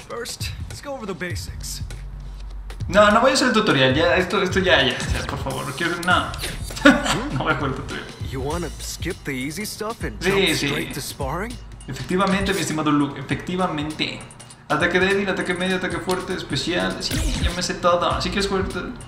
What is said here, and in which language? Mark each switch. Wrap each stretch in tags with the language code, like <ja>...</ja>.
<en>First, let's go over the basics.</en> <es>No voy a hacer el tutorial. Ya, por favor. Quiero no. No voy a jugar el tutorial.</es> <en>You want to skip the easy stuff and jump straight to sparring?</en> <es>Efectivamente, mi estimado Luke. Efectivamente. Ataque débil, ataque medio, ataque fuerte, especial. Sí, ya me sé todo. Así que es fuerte.</es>